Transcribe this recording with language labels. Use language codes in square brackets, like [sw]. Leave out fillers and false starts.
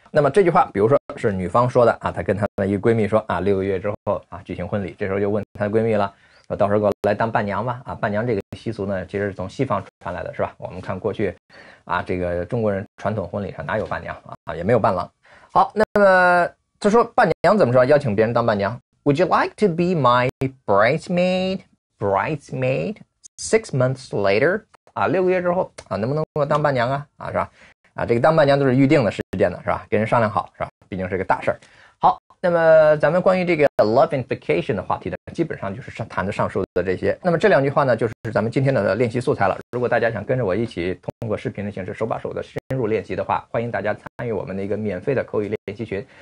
[zh] 那么这句话比如说是女方说的啊，她跟她的一个闺蜜说啊，6个月之后啊举行婚礼，这时候就问她闺蜜了，说到时候给我来当伴娘吧啊。伴娘这个习俗呢其实是从西方传来的，是吧？我们看过去啊这个中国人传统婚礼上哪有伴娘啊，也没有伴郎。好，那么她说伴娘怎么说，邀请别人当伴娘。 [en] Would you like to be my bridesmaid 6 months later？ [zh] 啊，6个月之后啊能不能给我当伴娘啊，啊是吧？啊，这个当伴娘都是预定的时间的，是吧？跟人商量好，是吧？毕竟是个大事儿。好，那么咱们关于这个 love and vacation 的话题呢，基本上就是谈的上述的这些。那么这两句话呢，就是咱们今天的练习素材了。如果大家想跟着我一起通过视频的形式，手把手的深入练习的话，欢迎大家参与我们的一个免费的口语练习群。